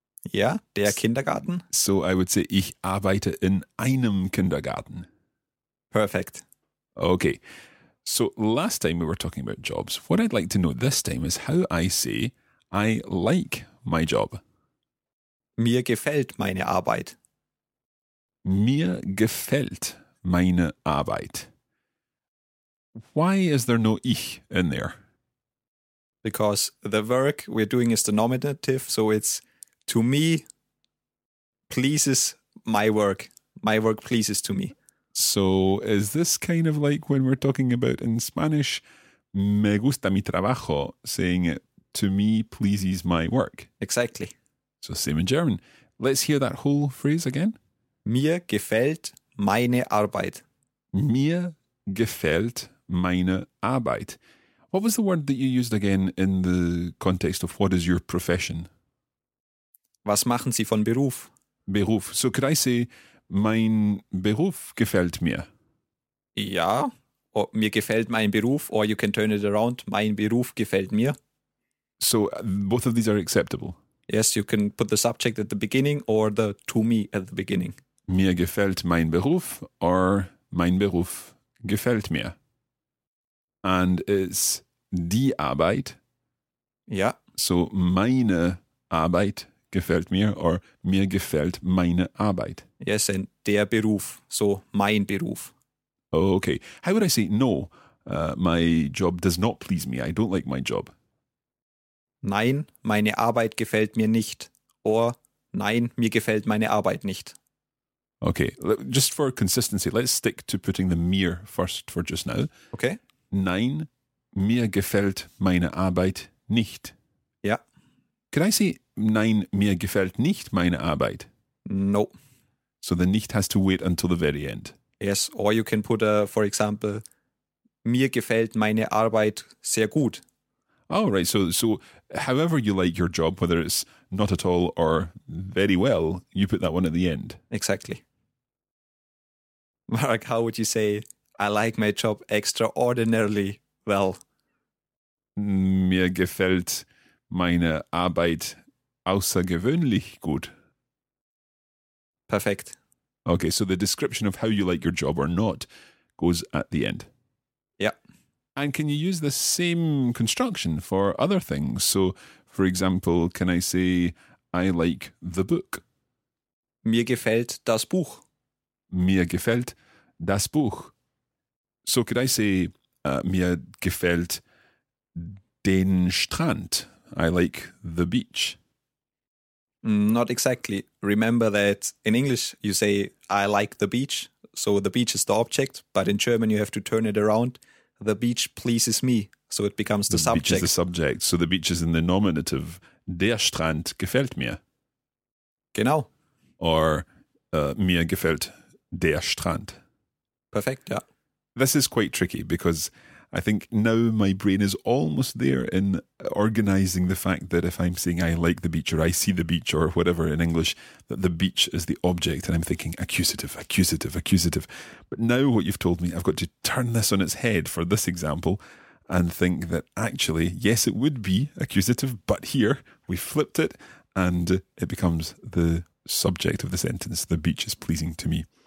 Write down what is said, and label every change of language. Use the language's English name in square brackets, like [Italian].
[German] Ja, der Kindergarten. [English] So I would say, [German] ich arbeite in einem Kindergarten. [English] Perfect. Okay, so last time we were talking about jobs. What I'd like to know this time is how I say, I like my job. [German] Mir gefällt meine Arbeit. Mir gefällt meine Arbeit. [English] Why is there no ich in there? Because the verb we're doing is the nominative, so it's to me pleases my work. My work pleases to me. So is this kind of like when we're talking about in Spanish, [Spanish] me gusta mi trabajo, [English] saying it to me pleases my work? Exactly. So same in German. Let's hear that whole phrase again. Mir gefällt meine Arbeit. Mir gefällt meine Arbeit. What was the word that you used again in the context of what is your profession? [German] Was machen Sie von Beruf? Beruf. [English] So could I say, [German] mein Beruf gefällt mir? Ja, mir gefällt mein Beruf, [English] or you can turn it around, [German] mein Beruf gefällt mir. [English] So both of these are acceptable? Yes, you can put the subject at the beginning or the to me at the beginning. [German] Mir gefällt mein Beruf or mein Beruf gefällt mir. [English] And it's die Arbeit. [German] Ja. So meine Arbeit gefällt mir or mir gefällt meine Arbeit. [English] Yes, and der Beruf. So mein Beruf. Okay. How would I say no? My job does not please me. I don't like my job. [German] Nein, meine Arbeit gefällt mir nicht. Or nein, mir gefällt meine Arbeit nicht. [English] Okay. Just for consistency, let's stick to putting the mir first for just now. Okay. [German] Nein, mir gefällt meine Arbeit nicht. Ja. [English] Could I say, [German] nein, mir gefällt nicht meine Arbeit? [English] No. So the nicht has to wait until the very end. Yes, or you can put, for example, [German] mir gefällt meine Arbeit sehr gut. [English] Oh, right. So however you like your job, whether it's not at all or very well, you put that one at the end. Exactly. Mark, how would you say, I like my job extraordinarily well. [German] Mir gefällt meine Arbeit außergewöhnlich gut. Perfekt. [English] Okay, so the description of how you like your job or not goes at the end. Yeah. And can you use the same construction for other things? So, for example, can I say, I like the book? [German] Mir gefällt das Buch. Mir gefällt das Buch. [English] So could I say, [German] mir gefällt den Strand. [English] I like the beach. Not exactly. Remember that in English you say, I like the beach. So the beach is the object. But in German you have to turn it around. The beach pleases me. So it becomes the subject. The beach is the subject. So the beach is in the nominative. [German] Der Strand gefällt mir. Genau. Or mir gefällt der Strand. [English] Perfect, yeah. This is quite tricky because I think now my brain is almost there in organizing the fact that if I'm saying I like the beach or I see the beach or whatever in English, that the beach is the object and I'm thinking accusative, accusative, accusative. But now what you've told me, I've got to turn this on its head for this example and think that actually, yes, it would be accusative, but here we flipped it and it becomes the subject of the sentence, the beach is pleasing to me.